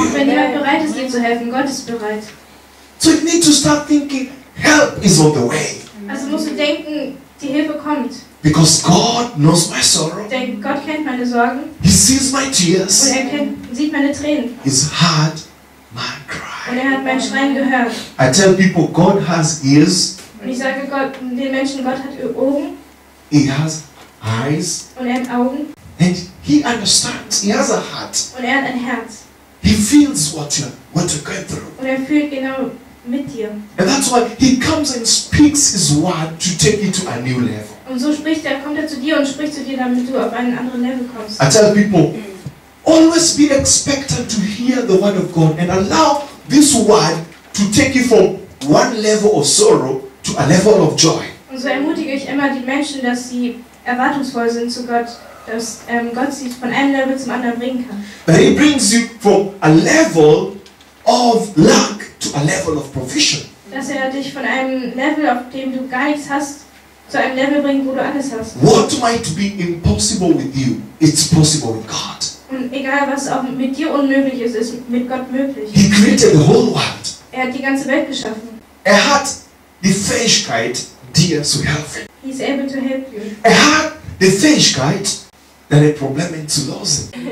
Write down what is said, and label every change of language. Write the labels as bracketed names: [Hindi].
[German] Auch wenn niemand bereit ist, dir zu helfen, Gott ist bereit. [English] So you need to start thinking, help is on the way. [German] Also musst du denken, die Hilfe kommt. [English] Because God knows my sorrow. [German] Denn Gott kennt meine Sorgen. [English] He sees my tears. [German] Und er kennt, sieht meine Tränen. [English] He's heard my cry. [German] Und er hat mein Schreien gehört. [English] I tell people, God has ears. [German] Und ich sage Gott, den Menschen, Gott hat Ohren. [English] He has eyes. [German] Und er hat Augen. [English] And he understands. He has a heart. [German] Und er hat ein Herz. [English] He feels what you're going through. [German] Und er fühlt genau mit dir. [English] And that's why he comes and speaks his word to take you to a new level. [German] Und so spricht er, kommt er zu dir und spricht zu dir, damit du auf einen anderen Level kommst. [English] I tell people, always be expectant to hear the word of God and allow this word to take you from one level of sorrow to a level of joy. [German] Und so ermutige ich immer die Menschen, dass sie erwartungsvoll sind zu Gott, dass Gott sie von einem Level zum anderen bringen kann. [English] But he brings you from a level of lack to a level of provision. [German] Dass er dich von einem Level, auf dem du gar nichts hast, zu einem Level bringt, wo du alles hast. [English] What might be impossible with you, it's possible with God. [German] Und egal was auch mit dir unmöglich ist, ist mit Gott möglich. [English] He created the whole world. [German] Er hat die ganze Welt geschaffen. Er hat die Fähigkeit, dir zu helfen. [English] He's able to help you. [German] Er hat die Fähigkeit, deine Probleme zu lösen.